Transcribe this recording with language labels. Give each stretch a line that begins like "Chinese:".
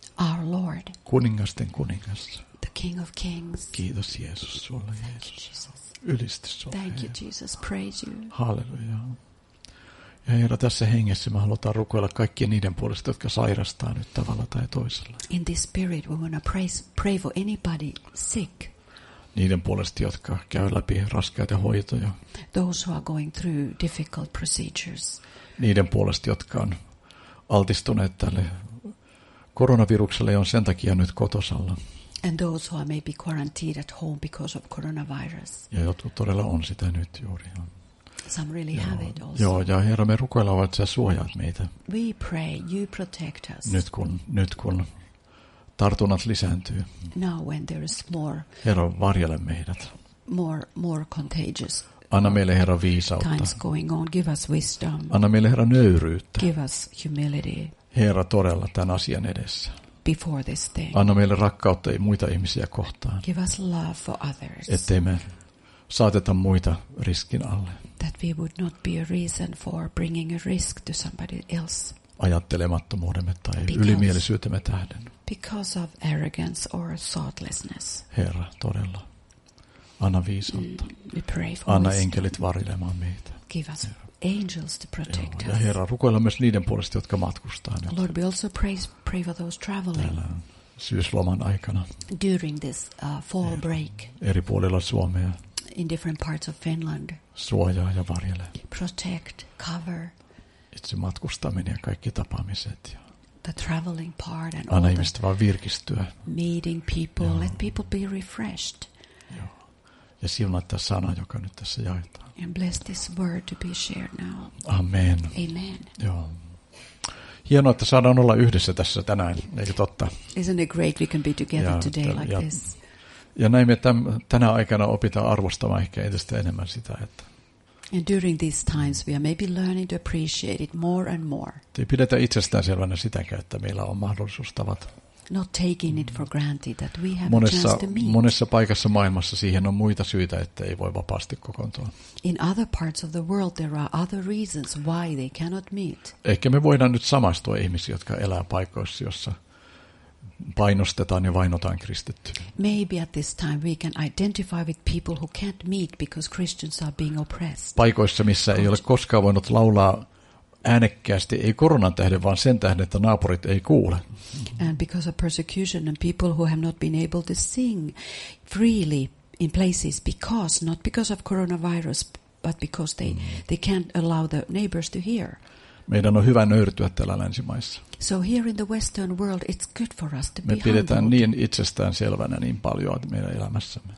English: Our Lord.
Finnish: Kuningasten kuningas.
English: The King of Kings.
Finnish: Kiitos Jeesus sulle.
English: Thank
Finnish: Jeesus.
English: You, Jesus.
Finnish: Ylistys sulle.
English: Thank you Jesus. Praise you.
Finnish: Halleluja. Ja Herra, tässä hengessä me halutaan rukoilla kaikkien niiden puolesta, jotka sairastaa nyt tavalla tai toisella.
English: In this spirit we want to pray for anybody sick.
Finnish: Niiden puolesta, jotka käy läpi raskaita hoitoja.
English: Those who are going through difficult procedures.
Finnish: Niiden puolesta, jotka on altistuneet tälle koronavirukselle ja on sen takia nyt kotosalla.
English: And those who are maybe quarantined at home because of coronavirus.
Finnish: Ja jotkut todella on sitä nyt juuri.
English: Some really have it also.
Finnish: Joo, ja Herra, me rukoillaan, että sä suojaat meitä.
English: We pray, you protect us.
Finnish: Nyt kun tartunnat lisääntyy.
English: Now when there is more,
Finnish: Herra, varjele meidät.
English: More contagious.
Finnish: Anna meille Herra viisautta.
English: Times going on, give us wisdom.
Finnish: Anna meille Herra nöyryyttä.
English: Give us humility.
Finnish: Herra, todella tämän asian edessä.
English: Before this thing.
Finnish: Anna meille rakkautta ja muita ihmisiä kohtaan.
English: Give us love for others.
Finnish: Ettei me saateta muita riskin alle.
English: That we would not be a reason for bringing a risk to somebody else.
Finnish: Ajattelemattomuudemme tai ylimielisyytemme tähden.
English: Because of arrogance or thoughtlessness.
Finnish: Herra, todella. Anna viisautta.
English: We pray for
Finnish: Anna enkelit varjelemaan meitä.
English: Give us angels to protect us.
Finnish: Ja Herra, rukoilla myös niiden puolesta, jotka matkustaa nyt.
English: Lord, we also pray for those traveling.
Finnish: Täällä syysloman aikana.
English: During this fall break.
Finnish: Eri puolilla Suomea.
English: In different parts of Finland.
Finnish: Suojaa ja varjele.
English: Protect, cover.
Finnish: Itse matkustaminen ja kaikki tapaamiset.
English: The traveling part and
Finnish: Anna ihmistä vaan virkistyä.
English: Meeting people, Joo. Let people be refreshed.
Finnish: Joo. Ja siunaa tämä sana, joka nyt tässä jaetaan.
English: And bless this word to be shared now.
Finnish: Amen.
English: Amen.
Finnish: Joo. Hienoa, että saadaan olla yhdessä tässä tänään, eikö totta?
English: Isn't it great we can be together today like this?
Finnish: Ja näin me tänä aikana opitaan arvostamaan ehkä entistä enemmän sitä, että
English: And during these times we are maybe learning to appreciate it more and more.
Finnish: Ei pidetä itsestäänselvänä sitäkään, että meillä on mahdollisuus tavata.
English: Not taking it for granted that we have
Finnish: monessa,
English: a chance to meet.
Finnish: Monessa paikassa maailmassa siihen on muita syitä, että ei voi vapaasti kokoontua.
English: In other parts of the world there are other reasons why they cannot meet.
Finnish: Ehkä me voidaan nyt samastua ihmisiä, jotka elää paikoissa, jossa painostetaan ja vainotaan kristittyjä.
English: Maybe at this time we can identify with people who can't meet because Christians are being oppressed.
Finnish: Paikoissa, missä ei ole koskaan voinut laulaa äänekkäästi, ei koronan tähden, vaan sen tähden, että naapurit ei kuule.
English: And because of persecution and people who have not been able to sing freely in places because, not because of coronavirus, but because they can't allow the neighbors to hear.
Finnish: Meidän on hyvä nöyrtyä täällä länsimaissa.
English: So here in the Western world, it's good for us to be humble.
Finnish: Me pidetään niin itsestään selvänä niin paljon meidän elämässämme.